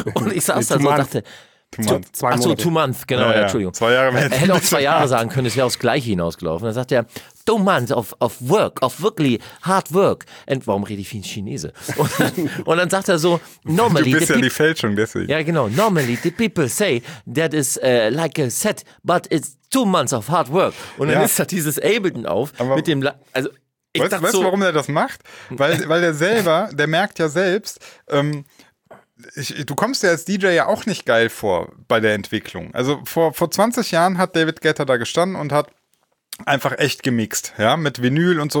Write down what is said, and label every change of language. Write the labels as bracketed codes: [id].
[de] Und ich saß da so und dachte... 2 Monate. Ach so, 2 Monate, genau, ja, Entschuldigung. 2 Jahre. Er hätte auch 2 Jahre sagen können, es wäre aufs Gleiche hinausgelaufen. Dann sagt er, 2 [en] Months of work, of [de] wirklich [en] hard work. [de] Und warum rede ich wie ein Chinese? Und dann sagt er so, normally... Du bist die Fälschung deswegen. Ja, genau. [en] Normally the people say that is like a set, but it's 2 months of hard work. [de] Und dann ist da dieses Ableton auf. Aber mit dem... Also, weißt du, warum er das macht? Weil er selber, der merkt ja selbst... du kommst ja als DJ ja auch nicht geil vor bei der Entwicklung. Also vor 20 Jahren hat David Guetta da gestanden und hat einfach echt gemixt, ja, mit Vinyl und so.